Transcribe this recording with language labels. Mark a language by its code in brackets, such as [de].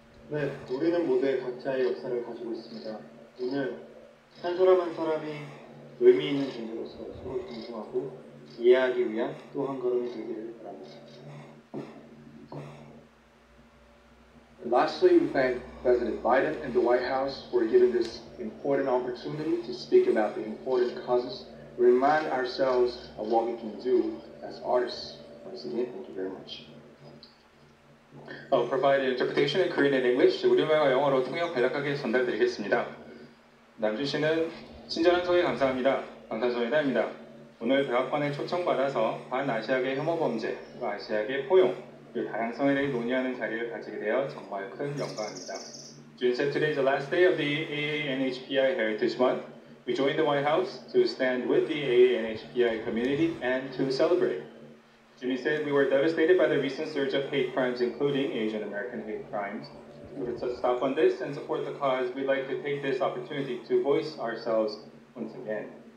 [ko] 네, 우리는 모두 각자의 역사를 가지고 있습니다. 오늘 한 사람 한 사람이 의미 있는 존재로서 서로 존중하고 이해하기 위한 또 한 걸음이 되기를 바랍니다. [en] Lastly, we thank President Biden and the White House for giving this important opportunity to speak about the important causes. Remind ourselves of what we can do as artists. Once again, thank you very much. I'll provide interpretation in Korean and English. [ko] 우리말과 영어로 통역 간략하게 전달드리겠습니다. 남준 씨는 친절한 소개 감사합니다. 방탄소년단입니다. 오늘 백악관에 초청받아서 반아시아계 혐오 범죄, 아시아계 포용, 그리고 다양성에 대해 논의하는 자리를 가지게 되어 정말 큰 영광입니다. [en] June said today is the last day of the AANHPI Heritage Month. We joined the White House to stand with the AANHPI community and to celebrate. Jimmy said we were devastated by the recent surge of hate crimes, including Asian American hate crimes. In order to stop on this and support the cause, we'd like to take this opportunity to voice ourselves once again.